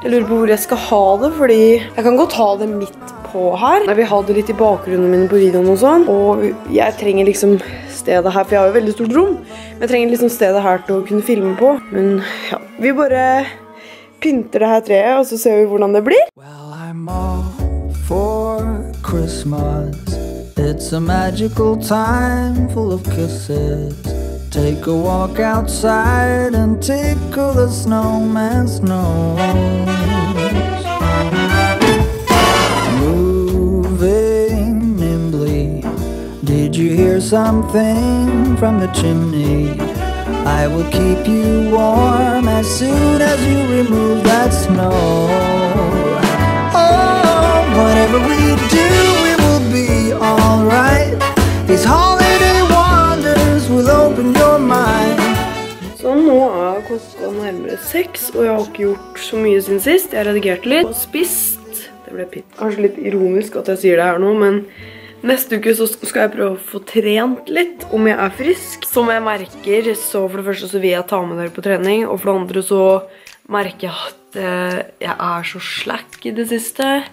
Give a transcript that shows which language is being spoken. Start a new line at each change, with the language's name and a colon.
Norwegian: Jeg lurer på hvor jeg skal ha det, fordi jeg kan godt ha det midt på her. Jeg vil ha det litt i bakgrunnen min på videoen og sånn. Og jeg trenger liksom stedet her, for jeg har jo veldig stort rom. Men jeg trenger liksom stedet her til å kunne filme på. Men ja, vi bare pynter det her treet, og så ser vi hvordan det blir.
English: Well, I'm... I'm off for Christmas. It's a magical time full of kisses. Take a walk outside and tickle the snowman's nose. Moving nimbly, did you hear something from the chimney? I will keep you warm as soon as you remove that snow. Oh, whatever we do, it will be alright. These holiday wonders will open your mind.
Norwegian: Så nå klokka nærmere 6, og jeg har ikke gjort så mye siden sist. Jeg redigerte litt og spist. Det ble pitt. Kanskje litt ironisk at jeg sier det her nå, men neste uke så skal jeg prøve å få trent litt, om jeg er frisk. Som jeg merker, så for det første så vil jeg ta med dere på trening, og for det andre så merker jeg at jeg er så slack i det siste.